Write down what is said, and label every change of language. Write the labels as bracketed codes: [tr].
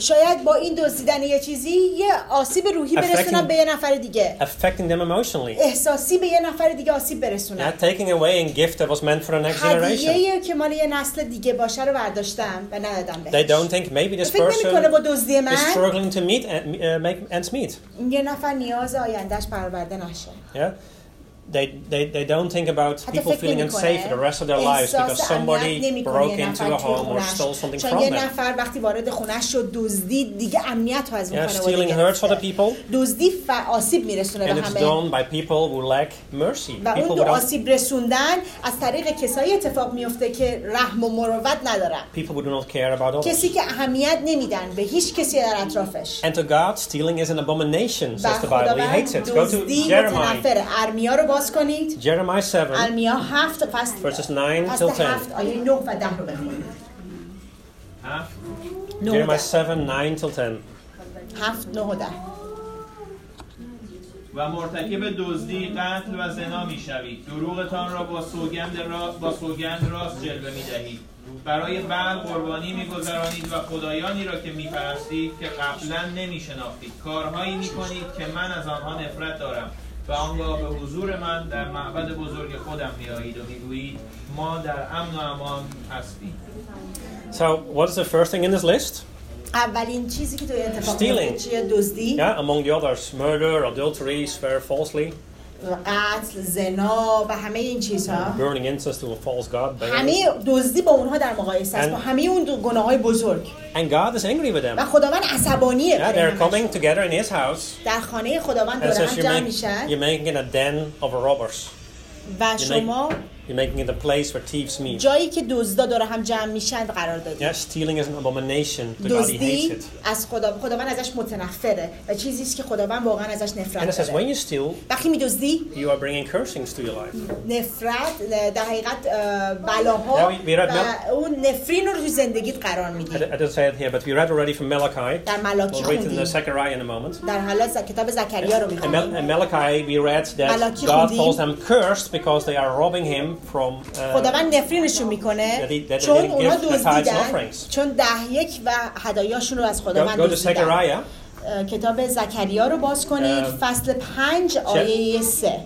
[fa] شاید با این دزدیدن یه چیزی یه آسیب روحی برسونم به یه نفر دیگه. [en] Affecting them emotionally. [fa] احساسی به یه نفر دیگه آسیب برسونم. [en] Not taking away a gift that was meant for the next generation. [fa] هدیه ای که مال یه نسل دیگه باشه رو برداشتم و ندادم بهش. [en] They don't think maybe this person is struggling to meet and make ends meet. [fa] یه نفر نیاز آینده‌اش برآورده نشه. [en] Yeah. They don't think about people feeling unsafe the rest of their lives because somebody broke into a home or stole something from them. [fa] چون یه نفر وقتی وارد خونه‌اش شد دزدید دیگه امنیت رو از اون خانواده گرفت. [en] Stealing hurts other people. [fa] دزدی آسیب میرسونه به همه. [en] And it's done by people who lack mercy. [fa] و اون دو آسیب رسوندن از طریق کسایی اتفاق میفته که رحم و مروت ندارن. [en] People who do not care about others. [fa] کسی که اهمیت نمیدن به هیچ کسی در اطرافش. [en] And to God, stealing is an abomination, says the Bible. He hates it. Go to Jeremiah. [fa] باز کنید [en] Jeremiah 7 [fa] ارمیا 7 فصل [en] verses 9 till 10 [fa] فصل 7 آیه 9 و 10 رو بخونید [en] 7 Jeremiah 7 9 till 10 [fa] 7 9 و 10 و مرتکب دزدی قتل و زنا می شوید دروغتان را با سوگند راست جلوه می دهید برای بعد قربانی می گذرانید و خدایانی را که می پرستید که قبلا نمی شناختید کارهایی می کنید که من از آنها نفرت دارم و آنگاه به حضور من در معبد بزرگ خودم می آیید و می گویید ما در امن و امان هستیم. [en] So what is the first thing in this list? [fa] اولین چیزی که توی اتفاق [en] stealing [fa] چیه؟ دزدی. [en] Yeah, among the others, murder, adultery, swear falsely, [fa] قتل، زنا و همه این چیزها. [en] Burning incense to a false god. [fa] همه دزدی با اونها در مقایسه است با همه اون گناهای بزرگ. [en] And God is angry with them. [fa] و خداوند عصبانیه. [en] Yeah, they're coming together in his house. [fa] در خانه خداوند دور هم جمع میشن. [en] You're making a den of robbers. [fa] و شما [en] You're making it a place where thieves meet. [fa] جایی که دزدا داره هم جمع میشن قرار داده. [en] Yes, stealing is an abomination. The God hates it. [fa] از خدا خداوند ازش متنفره و چیزی است که خداوند واقعا ازش نفرت داره. [en] And it says when you steal, [fa] وقتی میدزدی, [en] you are bringing cursings to your life. [fa] نفرت در حقیقت بلاها و اون نفرین رو زندگیت قرار میدی. [en] I didn't say it here, but we read already from Malachi. [fa] در ملاکی خوندیم. [en] We'll read in the Zechariah in a moment. [fa] در حالا کتاب زکریا رو میخونیم. [en] Malachi, we read that God calls them cursed because they are robbing him from [fa] خداوند نفرینشون میکنه چون اونا دزدیدن چون ده یک و هدایاشون رو از خداوند دزدیدن. کتاب زکریا رو باز کنید فصل 5 آیه 3